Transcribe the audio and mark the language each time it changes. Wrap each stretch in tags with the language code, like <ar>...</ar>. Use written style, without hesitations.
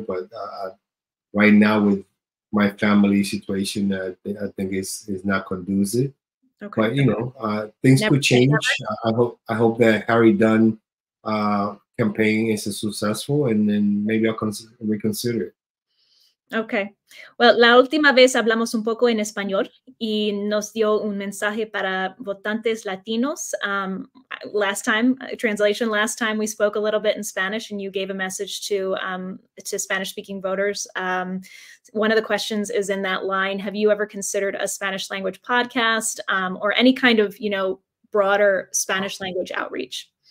<en>But right now with my family situation, I think it's not conducive. Okay. But you know, things could change. I hope that Harry Dunn campaign is successful, and then maybe I'll reconsider it. Okay.</en> <es>Well, la última vez hablamos un poco en español y nos dio un mensaje para votantes latinos.</es> <en>Last time we spoke a little bit in Spanish and you gave a message to Spanish-speaking voters. One of the questions is in that line, have you ever considered a Spanish language podcast or any kind of, you know, broader Spanish language outreach?</en>